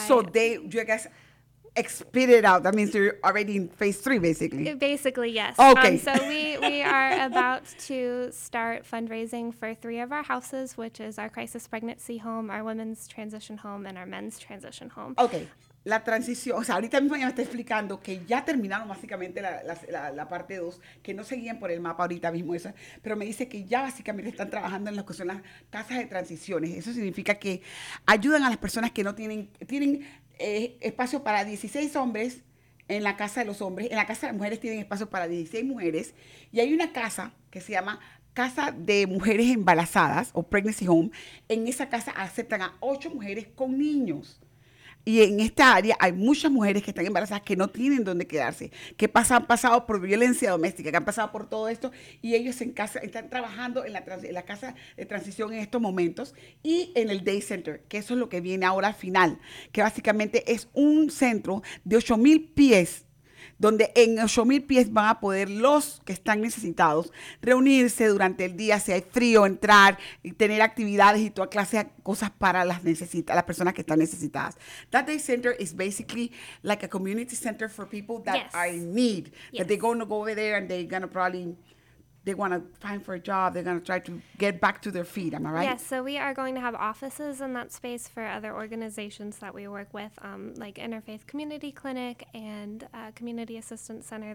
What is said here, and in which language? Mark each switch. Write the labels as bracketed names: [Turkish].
[English] So they, do you guess... spit it out. That means you're already in phase three, basically. Basically, yes. Okay. So we are about to start fundraising for three of our houses, which is our crisis pregnancy home, our women's transition home, and our men's transition home. Okay. [Spanish] La transición, o sea, ahorita mismo ya me está explicando que ya terminaron básicamente la parte 2, que no seguían por el mapa ahorita mismo esa, pero me dice que ya básicamente están trabajando en lo que son las casas de transiciones. Eso significa que ayudan a las personas que no tienen espacio para 16 hombres en la casa de los hombres. En la casa de las mujeres tienen espacio para 16 mujeres. Y hay una casa que se llama Casa de Mujeres Embarazadas o Pregnancy Home. En esa casa aceptan a 8 mujeres con niños. Y en esta área hay muchas mujeres que están embarazadas que no tienen dónde quedarse, que han pasado por violencia doméstica, que han pasado por todo esto, y ellos en casa están trabajando en la casa de transición en estos momentos y en el Day Center, que eso es lo que viene ahora al final, que básicamente es un centro de 8,000 pies, donde en 8,000 pies van a poder los que están necesitados reunirse durante el día, si hay frío, entrar y tener actividades y toda clase de cosas para las personas que están necesitadas. [English] That day center is basically like a community center for people that are in need. Yes. That they're going to go over there and they're going to probably, they want to find for a job. They're going to try to get back to their feet. Am I right? Yes, so we are going to have offices in that space for other organizations that we work with, like Interfaith Community Clinic and Community Assistance Center.